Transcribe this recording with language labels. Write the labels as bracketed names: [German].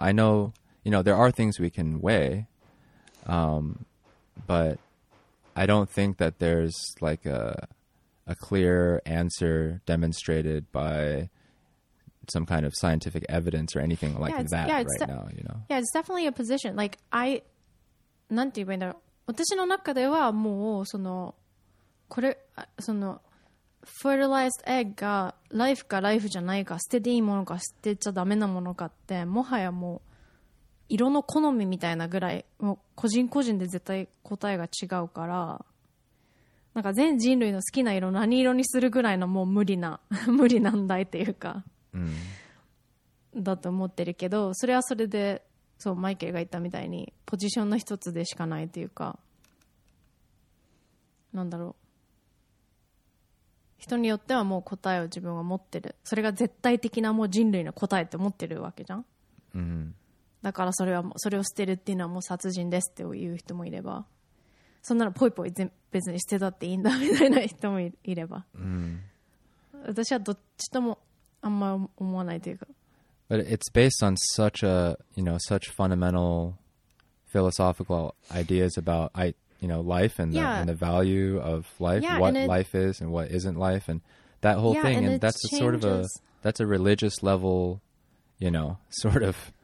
[English] I know, you know, there are things we can weigh, but I don't think that there's like a clear answer demonstrated by some kind of scientific evidence or anything like now, you know. Yeah, it's definitely a position. Like I [Japanese] なんて言うんだろう。私の中ではもうそのこれその fertilized egg がライフかライフじゃないか、捨てていいものか捨てちゃダメなものかってもはやもう色の好みみたいなぐらいもう個人個人で絶対答えが違うからなんか全人類の好きな色何色にするぐらいのもう無理難題っていうか、だと思ってるけどそれはそれでそうマイケルが言ったみたいにポジションの一つでしかないっていうかなんだろう人によってはもう答えを自分は持ってるそれが絶対的なもう人類の答えって思ってるわけじゃん、だからそれを捨てるっていうのはもう殺人ですって言う人もいればそんなのポイポイ別に捨てたっていいんだみたいな人もいれば、私はどっちともあんま思わないというか。 [English] But it's based on such a, you know, such fundamental philosophical ideas about, you know, life and the, yeah. and the value of life, yeah, what life is and what isn't life and that whole yeah, thing. And that's changes. A sort of a, that's a religious level, you know, sort of.